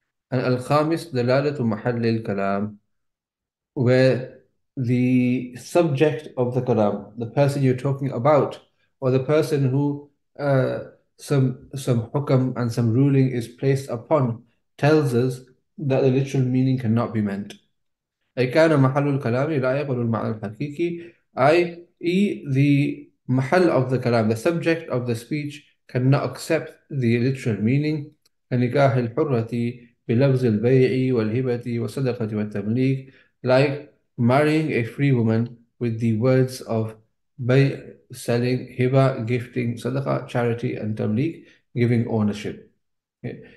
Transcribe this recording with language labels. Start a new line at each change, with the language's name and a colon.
English: And al-khamis, dalalatu mahallil kalam, where the subject of the kalam, the person you're talking about, or the person who some hukam and some ruling is placed upon tells us that the literal meaning cannot be meant.
Arabic: أي كان محل الكلام لا يقبل المعنى الحقيقي i.e.
English: the محل of the كلام, the subject of the speech cannot accept the literal meaning.
Arabic: كنكاح الحرة بلفظ البيع والهبة والصدقة والتمليك,
English: like marrying a free woman with the words of بيع, selling, hiba, gifting, sadaqa, charity, and tamliq, giving ownership. Okay.